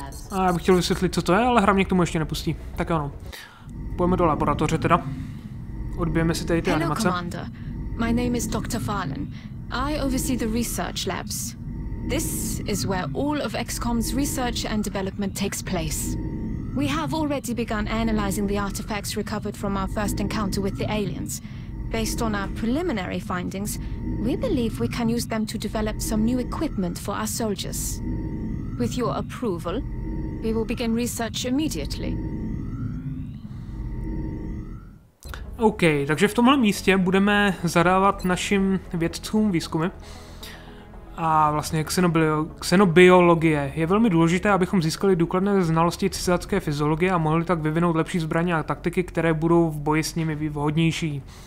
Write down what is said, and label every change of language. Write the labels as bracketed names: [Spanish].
[Czech] A já bych chtěl vysvětlit, co to je, ale hra mě k tomu ještě nepustí. Tak ano. Půjdeme do laboratoře teda. Odbijeme si tady ty animace. [English] Hello, Commander. My name is Dr. Farlan. I oversee the research labs. This is where all of XCOM's research and development takes place. We have already begun analyzing the artifacts recovered from our first encounter with the aliens. Based on our preliminary findings, we believe we can use them to develop some new equipment for our soldiers. With your approval, we will begin research immediately. [Czech] OK, takže v tomhle místě budeme zadávat našim vědcům výzkumy. A vlastně xenobiologie. Je velmi důležité, abychom získali důkladné znalosti cizácké fyziologie a mohli tak vyvinout lepší zbraně a taktiky, které budou v boji s nimi vhodnější.